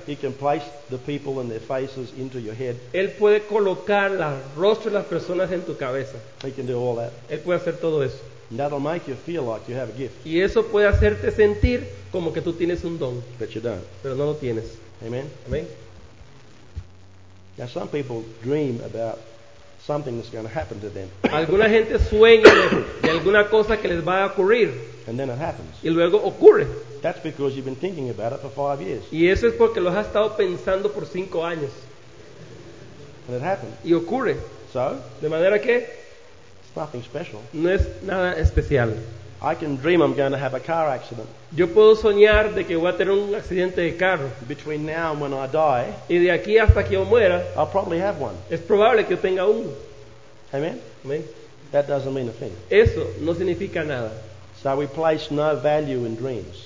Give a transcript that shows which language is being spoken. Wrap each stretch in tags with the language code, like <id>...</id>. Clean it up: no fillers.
<en>He can place the people and their faces into your head.</en> <es>Él puede colocar los rostros de las personas en tu cabeza.</es> <en>He can do all that.</en> <es>Él puede hacer todo eso.</es> <en>And that'll make you feel like you have a gift.</en> <es>Y eso puede hacerte sentir como que tú tienes un don.</es> <en>But you don't.</en> <es>Pero no lo tienes. Amen. Amen.</es> <en>Now some people dream about something that's going to happen to them.</en> <es>Alguna gente sueña de alguna cosa que les va a ocurrir.</es> <en>And then it happens.</en> <es>Y luego ocurre.</es> <en>That's because you've been thinking about it for 5 years.</en> <es>Y eso es porque lo has estado pensando por 5 años.</es> <en>And it happens.</en> <es>Y ocurre.</es> <en>So?</en> <es>De manera que?</es> <en>It's nothing special.</en> <es>No es nada especial.</es> <en>I can dream I'm going to have a car accident.</en> <es>Yo puedo soñar de que voy a tener un accidente de carro.</es> <en>Between now and when I die,</en> <es>y de aquí hasta que yo muera,</es> <en>I'll probably have one.</en> <es>Es probable que yo tenga uno. Amen? Amen.</es> <en>That doesn't mean a thing.</en> <es>Eso no significa nada.</es> <en>So we place no value in dreams.</en>